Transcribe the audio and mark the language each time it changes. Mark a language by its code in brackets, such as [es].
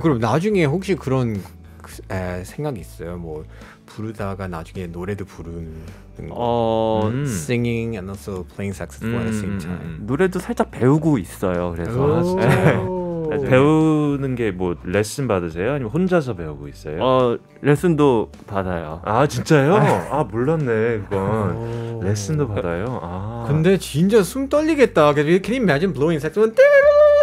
[ko] 그럼 나중에 혹시 그런 생각이 있어요? 뭐 부르다가 나중에 노래도 부르는 거. [en] Singing and also playing saxophone at the same time. [ko] 노래도 살짝 배우고 있어요. 그래서 배우는 게 뭐 레슨 받으세요? 아니면 혼자서 배우고 있어요? 레슨도 받아요. 아 진짜요? 아 몰랐네 그건. 레슨도 받아요. 아 근데 진짜 숨 떨리겠다. 그래서 [en] Can you imagine blowing saxophone? [ko] 뜨르르!